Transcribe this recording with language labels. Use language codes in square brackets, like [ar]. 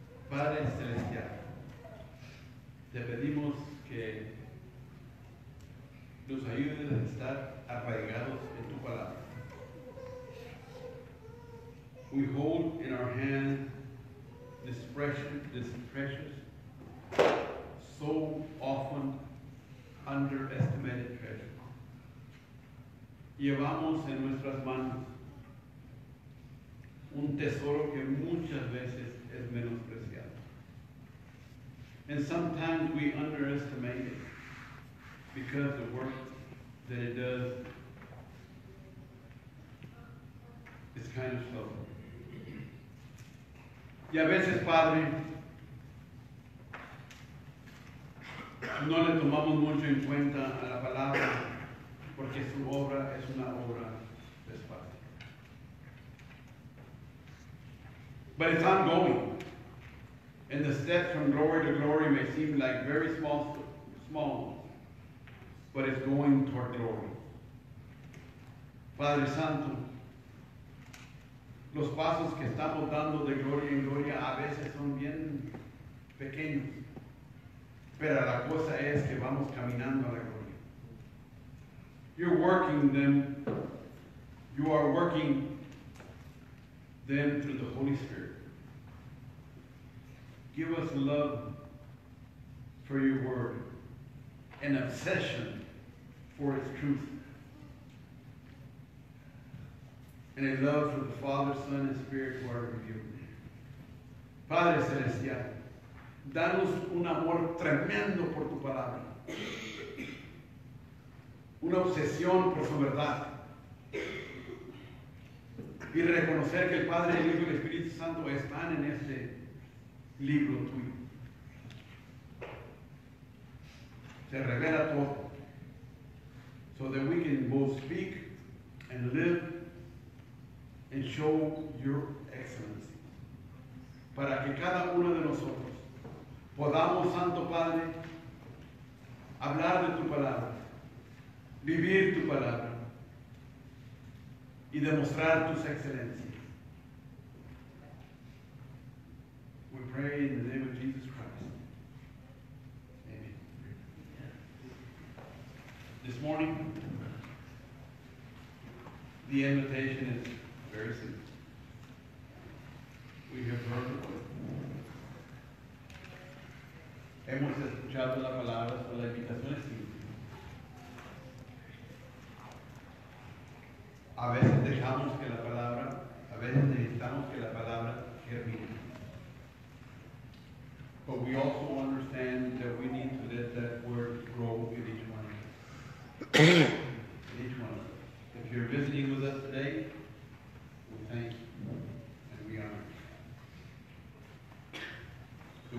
[es] Padre Celestial, te pedimos que nos ayudes a estar arraigados en tu palabra. [en] We hold in our hand this precious, so often underestimated treasure. [es] Llevamos en nuestras manos un tesoro que muchas veces es menospreciado. [en] And sometimes we underestimate it because of the work that it does kind of stuff. [es] Y a veces, Padre, no le tomamos mucho en cuenta a la palabra, porque su obra es una obra de espacio. [en] But it's ongoing. And the steps from glory to glory may seem like very small, but it's going toward glory. [es] Padre Santo, los pasos que estamos dando de gloria en gloria a veces son bien pequeños, pero la cosa es que vamos caminando a la gloria. [en] You're working them, you are working them through the Holy Spirit. Give us love for your word, an obsession for its truth, and a love for the Father, Son, and Spirit who are with you. [es] Padre Celestial, danos un amor tremendo por tu palabra, una obsesión por su verdad, y reconocer que el Padre, el Hijo y el Espíritu Santo están en este libro tuyo. Se revela todo, [en] so that we can both speak and live and show your excellency. [es] Para que cada uno de nosotros podamos, Santo Padre, hablar de tu palabra, vivir tu palabra y demostrar tus excelencias. [en] We pray in the name of Jesus Christ. Amen. This morning, the invitation is very simple. We have heard it. [es] Hemos escuchado la palabra, pero la invitación es simple. A veces dejamos que la palabra, a veces necesitamos que la palabra germine. [en] But we also understand that we need to let that word grow in each one of us. In each one of us. If you're visiting with us today, we thank you and we honor you.